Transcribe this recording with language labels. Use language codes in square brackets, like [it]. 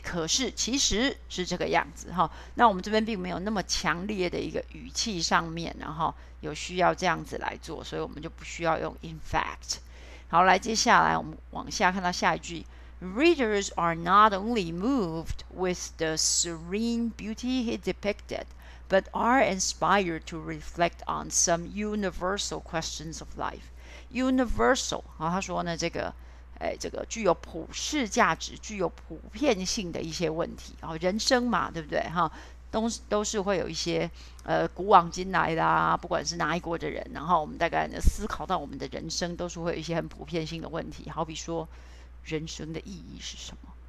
[zh] 可是其实是这个样子哈。那我们这边并没有那么强烈的一个语气上面，然后有需要这样子来做，所以我们就不需要用 in fact。好，来，接下来我们往下看到下一句： [en] Readers are not only moved with the serene beauty he depicted。 But are inspired to reflect on some universal questions of life. [zh] Universal，然后他说呢，这个，这个具有普世价值、具有普遍性的一些问题，哦，人生嘛，对不对？哈，都是会有一些，古往今来啦，不管是哪一国的人，然后我们大概呢思考到我们的人生，都是会有一些很普遍性的问题，好比说，人生的意义是什么？